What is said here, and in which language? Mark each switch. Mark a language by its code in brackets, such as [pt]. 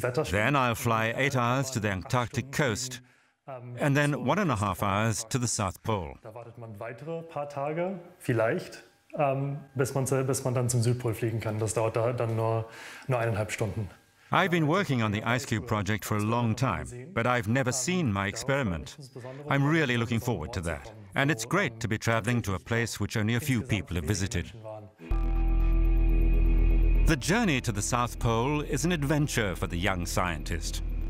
[en] Then I'll fly 8 hours to the Antarctic coast, and then 1.5 hours to the South Pole. [de] Da wartet man weitere paar Tage, vielleicht. Bis man dann zum Südpol fliegen kann. Das dauert dann nur 1,5 Stunden. [en] I've been working on the Ice Cube project for a long time, but I've never seen my experiment. I'm really looking forward to that. And it's great to be traveling to a place which only a few people have visited. The journey to the South Pole is an adventure for the young scientist.